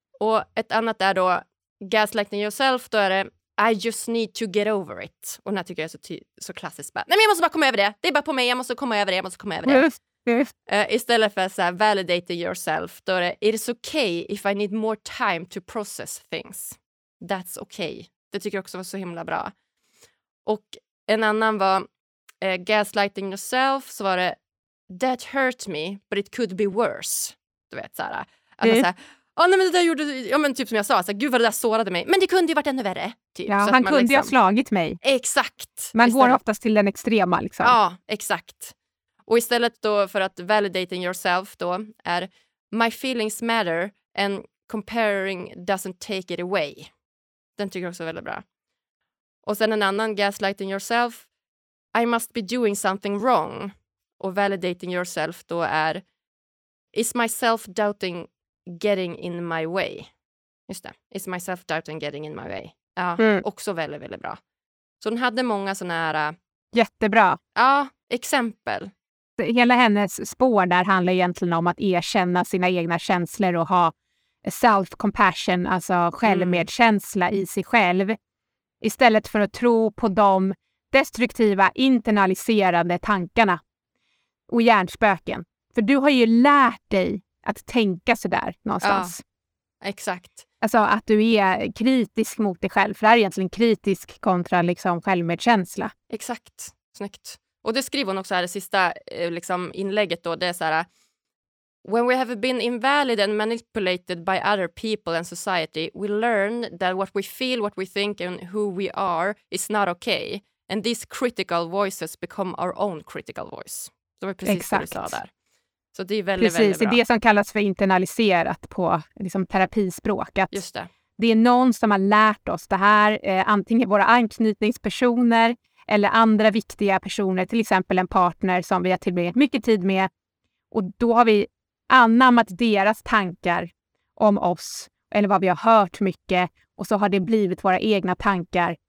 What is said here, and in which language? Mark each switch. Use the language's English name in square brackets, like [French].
[Swedish] Och ett annat är då [English] gaslighting yourself. [Swedish] Då är det [English] I just need to get over it. [Swedish] Och den här tycker jag är så klassiskt. Nej, men jag måste bara komma över det. Det är bara på mig. Jag måste komma över det. Istället för så här, [English] validating yourself. [Swedish] Då är det [English] it is okay if I need more time to process things. That's okay. [Swedish] Det tycker jag också var så himla bra. Och en annan var [English] gaslighting yourself, [Swedish] så var det [English] that hurt me, but it could be worse. [Swedish] Du vet, såhär. Alltså, såhär nej, men det där gjorde, ja, men typ som jag sa, såhär, gud vad det där sårade mig. Men det kunde ju varit ännu värre. Typ. Ja, så han att kunde ju ha slagit mig. Exakt. Man går oftast till den extrema, liksom. Ja, exakt. Och istället då för att [English] validating yourself [Swedish] då är [English] my feelings matter and comparing doesn't take it away. [Swedish] Den tycker jag också är väldigt bra. Och sen en annan, [English] gaslighting yourself, I must be doing something wrong. Och validating yourself [Swedish] då är [English] is my self-doubting getting in my way? [Swedish] Just det. [English] Is my self-doubting getting in my way? [Swedish] Ja, också väldigt, väldigt bra. Så hon hade många såna här jättebra. Ja, exempel. Hela hennes spår där handlar egentligen om att erkänna sina egna känslor och ha self-compassion, alltså självmedkänsla i sig själv. Istället för att tro på dem destruktiva, internaliserande tankarna och hjärnspöken För du har ju lärt dig att tänka så där någonstans. Ja, exakt. Alltså att du är kritisk mot dig själv. För det är egentligen kritisk kontra liksom självmedkänsla. Exakt. Snyggt. Och det skriver hon också här i sista liksom inlägget då. Det är så här: [English] when we have been invalid and manipulated by other people and society, we learn that what we feel, what we think and who we are is not okay. And these critical voices become our own critical voice. [Swedish] Det var precis exakt det du sa där. Så det är väldigt, precis, väldigt bra. Det är det som kallas för internaliserat på liksom terapispråk. Att just det. Det är någon som har lärt oss det här, antingen våra anknytningspersoner eller andra viktiga personer, till exempel en partner som vi har tillbringat mycket tid med. Och då har vi anammat deras tankar om oss eller vad vi har hört mycket, och så har det blivit våra egna tankar.